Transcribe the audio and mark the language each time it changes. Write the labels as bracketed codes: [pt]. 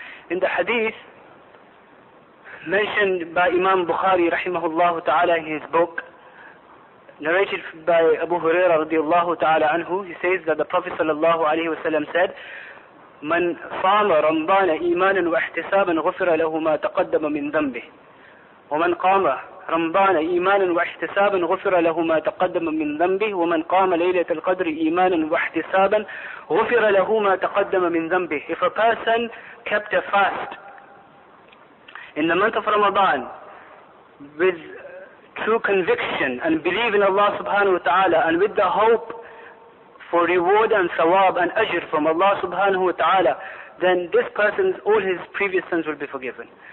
[en] In the hadith mentioned by Imam Bukhari rahimahullah ta'ala in his book, narrated by Abu Huraira radiallahu ta'ala anhu, he says that the Prophet sallallahu alayhi wa sallam said, [ar] مَنْ صَامَ رَمْضَانَ إِيمَانًا وَاحْتِسَابًا غُفِرَ لَهُ مَا تَقَدَّمَ مِنْ ذَنْبِهِ ومن قام رمضان إيمانا واحتسابا غفر له ما تقدم من ذنبه ومن قام ليلة القدر إيمانا واحتسابا غفر له ما تقدم من ذنبه. [en] If a person kept a fast in the month of Ramadan with true conviction and belief in Allah subhanahu wa ta'ala and with the hope for reward and thawab and ajr from Allah subhanahu wa ta'ala, then this person's, all his previous sins will be forgiven.